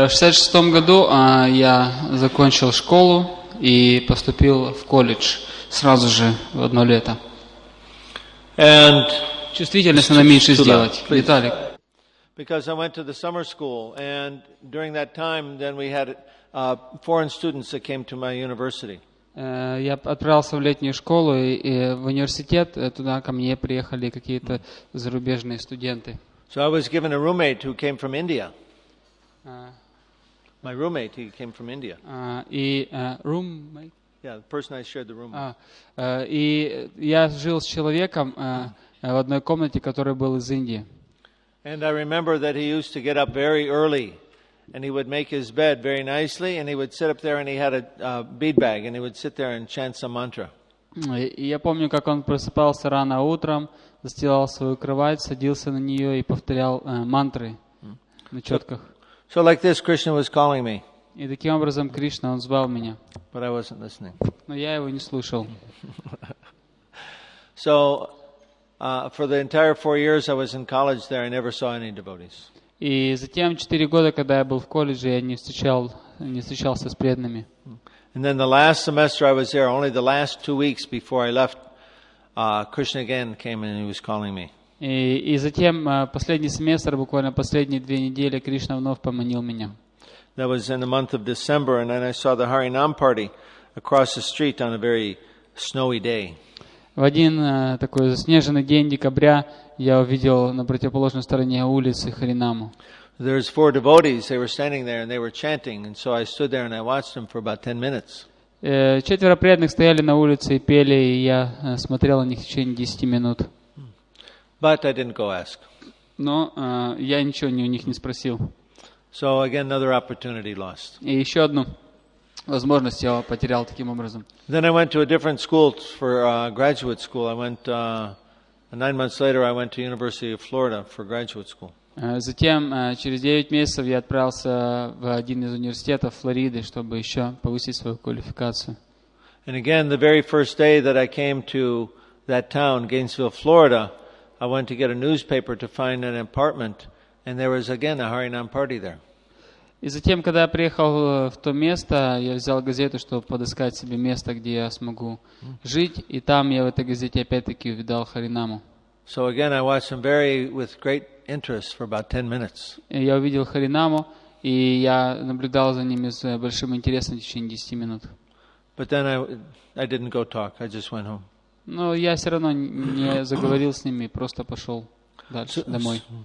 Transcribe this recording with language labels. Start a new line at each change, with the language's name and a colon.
Russian: 66. В 66 году я закончил школу и поступил в колледж сразу же в одно лето.
English: And
Russian: чувствительность надо меньше сделать, Виталик.
English: Because I went to the summer school, and during that time, then we had foreign students that came to my university.
Russian: Я отправился в летнюю школу и в университет. Туда ко мне приехали какие-то зарубежные студенты.
English: So I was given a roommate who came from India. My roommate, he came from India. Roommate. Yeah, the person I shared the room with.
Russian: И я жил с человеком в одной комнате, который был из Индии.
English: And I remember that he used to get up very early, and he would make his bed very nicely, and he would sit up there, and he had a bead bag, and he would sit there and chant some mantra.
Russian: И я помню, как он просыпался рано утром, застилал свою кровать, садился на нее и повторял мантры на четках.
English: So like this, Krishna was calling me.
Russian: И таким образом Кришна, он звал меня.
English: But I wasn't listening.
Russian: Но я его не слушал.
English: So, for the entire 4 years I was in college there, I never saw any devotees.
Russian: И затем 4 года, когда я был в колледже, я не встречался с преданными.
English: And then the last semester I was there, only the last 2 weeks before I left, Krishna again came and he was calling me.
Russian: И затем последний семестр, буквально последние 2 недели, Кришна вновь поманил меня.
English: That was in the month of December, and then I saw the Harinam party across the street on a very snowy day.
Russian: В один такой заснеженный день декабря я увидел на противоположной стороне улицы Харинаму.
English: There was 4 devotees. They were standing there and they were chanting, and so I stood there and I watched them for about 10 minutes.
Russian: 4 преданных стояли на улице и пели, и я смотрел на них в течение 10 минут.
English: But I didn't go ask.
Russian: Но я ничего ни у них не спросил.
English: So again, another opportunity lost.
Russian: И еще одну возможность я потерял таким образом.
English: Then I went to a different school for graduate school. I went 9 months later. I went to University of Florida for graduate school.
Russian: Затем через 9 месяцев я отправился в один из университетов Флориды, чтобы еще повысить свою квалификацию.
English: And again, the very first day that I came to that town, Gainesville, Florida, I went to get a newspaper to find an apartment. And there was again a Harinam party there.
Russian: И затем, когда я приехал в то место, я взял газету, чтобы подыскать себе место, где я смогу жить. И там я в этой газете опять-таки увидал Харинаму.
English: So again, I watched him very with great interest for about 10 minutes.
Russian: Я увидел Харинаму, и я наблюдал за ним с большим интересом в течение 10 минут.
English: But then I didn't go talk. I just went home.
Russian: Но я все равно не заговорил с ними, просто пошел дальше домой.